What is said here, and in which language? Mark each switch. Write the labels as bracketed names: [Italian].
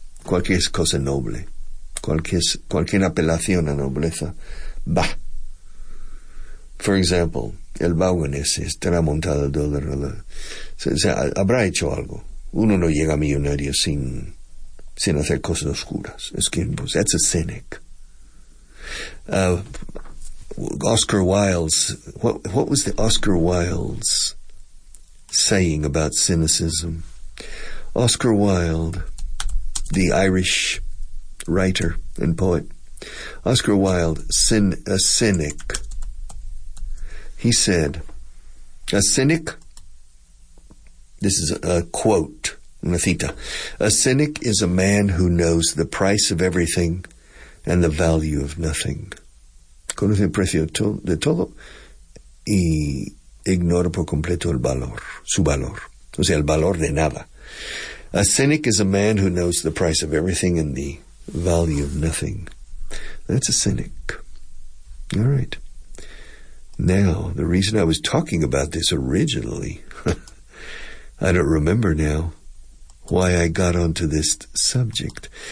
[Spanish] Cualquier cosa noble. Cualquier apelación a nobleza. Bah. [English] For example, [Spanish] el Baugan es tramontado dólar. Habrá hecho algo. Uno no llega a millonario sin hacer cosas oscuras. Es que, pues, [English] that's a cynic. Oscar Wilde's, what was the Oscar Wilde's saying about cynicism? Oscar Wilde, the Irish writer and poet, Oscar Wilde, a cynic, he said, a cynic, this is a quote, [Spanish] una cita, [English] a cynic is a man who knows the price of everything and the value of nothing. [Spanish] Conoce el precio de todo y ignora por completo el valor, su valor. O sea, el valor de nada. [English] A cynic is a man who knows the price of everything and the value of nothing. That's a cynic. All right. Now, the reason I was talking about this originally, I don't remember now why I got onto this subject.